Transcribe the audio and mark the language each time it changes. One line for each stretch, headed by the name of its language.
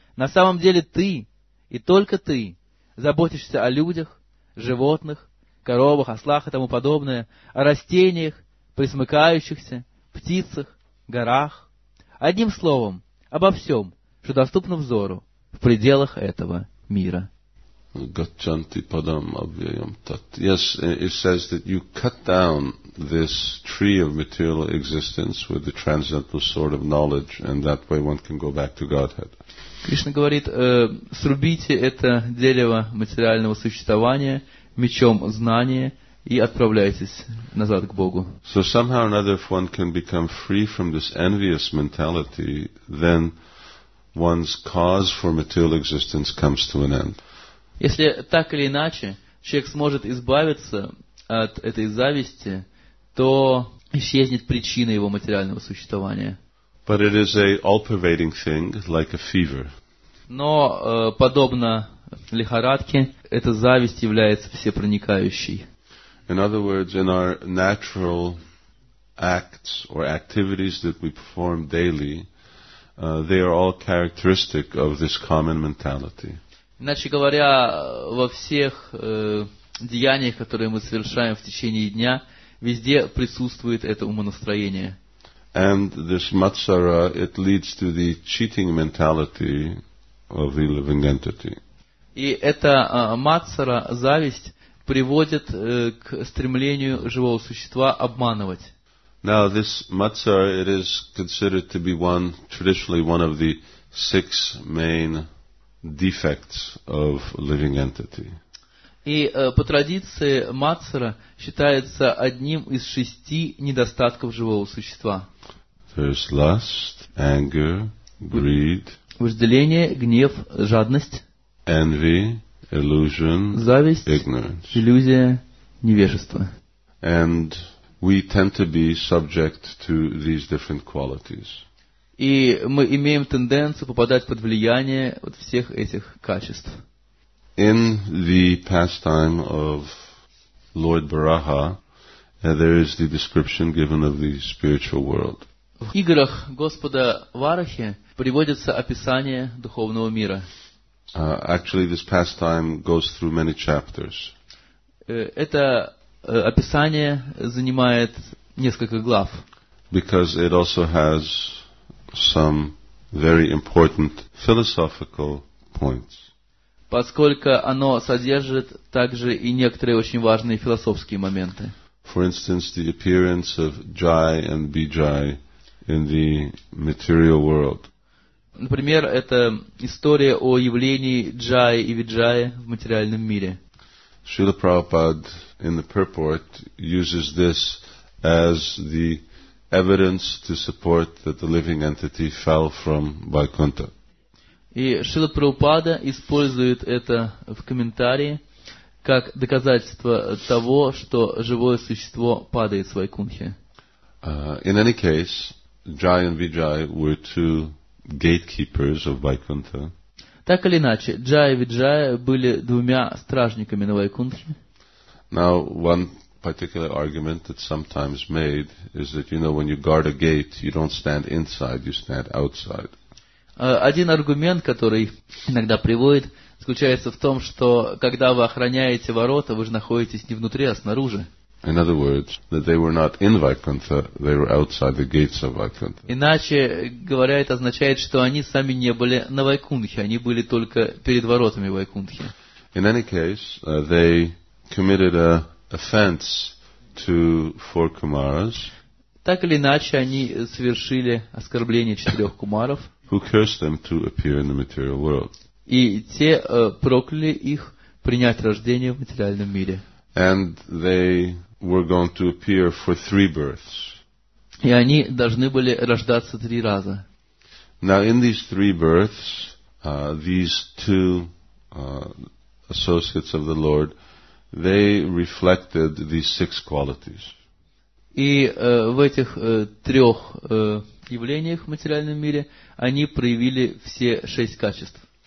Russian: На самом деле Ты, и только Ты, заботишься о людях, животных, коровах, ослах и тому подобное, о растениях, пресмыкающихся, птицах, горах. Одним словом, обо всем, что доступно взору в пределах этого мира.
Sanskrit: Gacchanti padam avyayam tat.
English: Yes, it says that you cut down this tree of material existence with the transcendental sword of knowledge, and that way one can go back to Godhead.
Russian: Кришна говорит, срубите это дерево материального существования мечом знания и отправляйтесь назад к Богу.
English: So somehow or another, if one can become free from this envious mentality, then one's cause for material existence comes to an end.
Russian: Если так или иначе человек сможет избавиться от этой зависти, то исчезнет причина его материального существования.
English: But it is a all-pervading thing, like a fever.
Russian: Но, подобно лихорадке, эта зависть является всепроникающей.
English: In other words, in our natural acts or activities that we perform daily, they are all characteristic of this common mentality.
Russian: Иначе говоря, во всех деяниях, которые мы совершаем в течение дня, везде присутствует это умонастроение.
English: And this matsara, it leads to the cheating mentality of the living entity.
Russian: И эта матсара, зависть, приводит к стремлению живого существа обманывать.
English: Now this matsara, it is considered to be one, traditionally one of the six main defects of living entity.
Russian: И по традиции Мацара считается одним из шести недостатков живого существа.
English: There's lust, anger, greed.
Russian: Вожделение, гнев, жадность.
English: Envy, illusion,
Russian: зависть,
English: ignorance.
Russian: Иллюзия, невежество.
English: And we tend to be subject to these different qualities.
Russian: И мы имеем тенденцию попадать под влияние вот всех этих качеств.
English: In the pastime of Lord Varaha, there is the description given of the spiritual world.
Russian: В играх Господа Варахи приводится описание духовного мира.
English: Actually, this pastime goes through many chapters.
Russian: Это описание занимает несколько глав.
English: Because it also has some very important philosophical points.
Russian: Поскольку оно содержит также и некоторые очень важные философские моменты.
English: For instance, the appearance of jai and bijai in the material world.
Russian: Например, это история о явлении джай и виджай в материальном мире.
English: Шрила Прабхупада in the purport uses this as the evidence to support that the living entity fell from Vaikuntha.
Russian: И Шрила Прабхупада использует это в комментарии как доказательство того, что живое существо падает с Вайкунхи.
English: In any case, Jai and Vijay were two gatekeepers of Vaikuntha.
Russian: Так или иначе, Джай и Виджай были двумя стражниками на Вайкунхе.
English: Now, one particular argument that's sometimes made is that, you know, when you guard a gate, you don't stand inside, you stand outside.
Russian: Один аргумент, который иногда приводит, заключается в том, что когда вы охраняете ворота, вы же находитесь не внутри, а снаружи.
English: In other words, that they were not in Vaikuntha, they were outside the gates of Vaikuntha.
Russian: Иначе говоря, это означает, что они сами не были на Вайкунхе, они были только перед воротами Вайкунхи.
English: In any case, they committed an offense to four Kumaras.
Russian: Так или иначе, они совершили оскорбление четырех Кумаров.
English: Who cursed them to appear in the material world.
Russian: И те прокляли их принять рождение в материальном мире.
English: And they were going to appear for three births.
Russian: И они должны были рождаться три раза.
English: Now in these three births, these two associates of the Lord, they reflected these six qualities.
Russian: И в этих трех явлениях в материальном мире они проявили все шесть качеств.